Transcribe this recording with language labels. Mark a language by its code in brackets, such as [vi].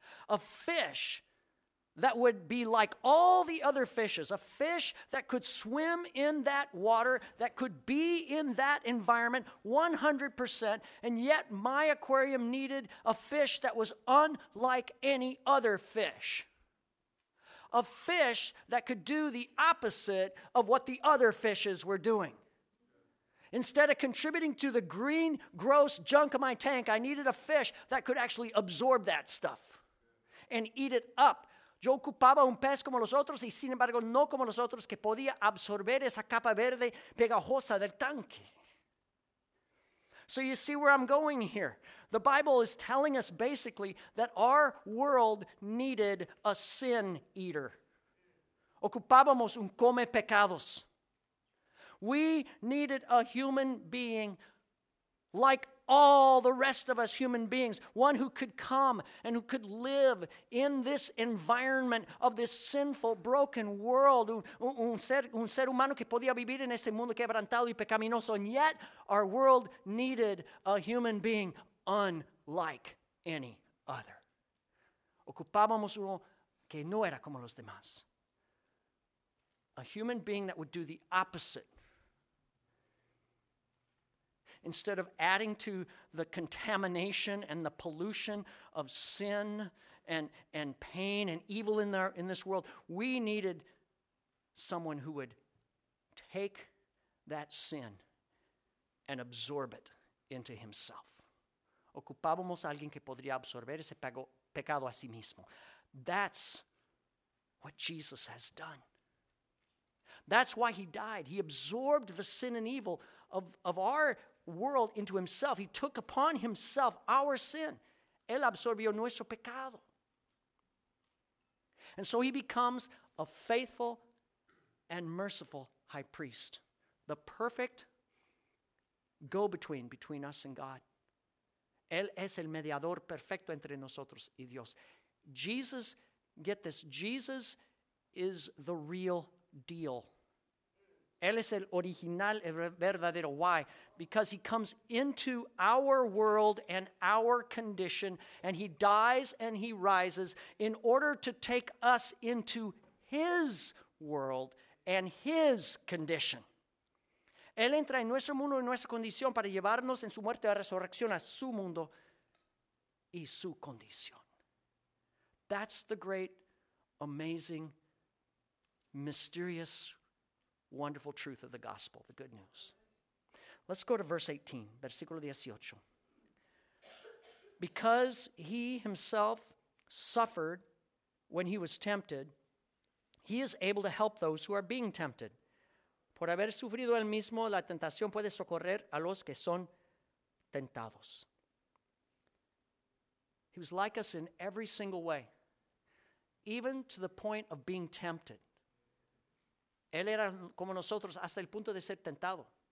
[en] A fish that would be like all the other fishes, a fish that could swim in that water, that could be in that environment 100%, and yet my aquarium needed a fish that was unlike any other fish. A fish that could do the opposite of what the other fishes were doing. Instead of contributing to the green, gross junk of my tank, I needed a fish that could actually absorb that stuff and eat it up. [es] Yo ocupaba un pez como los otros y sin embargo no como los otros que podía absorber esa capa verde pegajosa del tanque. [en] So you see where I'm going here. The Bible is telling us basically that our world needed a sin eater. [es] Ocupábamos un come pecados. [en] We needed a human being like all the rest of us human beings, one who could come and who could live in this environment of this sinful, broken world. [es] Un ser humano que podía vivir en este mundo quebrantado y pecaminoso. [en] And yet, our world needed a human being unlike any other. [es] Ocupábamos uno que no era como los demás. [en] A human being that would do the opposite. Instead of adding to the contamination and the pollution of sin and pain and evil in this world, we needed someone who would take that sin and absorb it into himself. [es] Ocupábamos a alguien que podría absorber ese pecado a sí mismo. [en] That's what Jesus has done. That's why he died. He absorbed the sin and evil of our world into himself. He took upon himself our sin. [es] Él absorbió nuestro pecado. [en] And so he becomes a faithful and merciful high priest. The perfect go-between between us and God. [es] Él es el mediador perfecto entre nosotros y Dios. [en] Jesus, get this, Jesus is the real deal. [es] Él es el original, el verdadero. [en] Why? Because he comes into our world and our condition, and he dies and he rises in order to take us into his world and his condition. [es] Él entra en nuestro mundo y nuestra condición para llevarnos en su muerte y resurrección a su mundo y su condición. [en] That's the great, amazing, mysterious, wonderful truth of the gospel, the good news. Let's go to verse 18, [es] versículo 18. [en] Because he himself suffered when he was tempted, he is able to help those who are being tempted. [es] Por haber sufrido él mismo la tentación, puede socorrer a los que son tentados. [en] He was like us in every single way, even to the point of being tempted. [es] Él era como nosotros hasta el punto de ser tentado.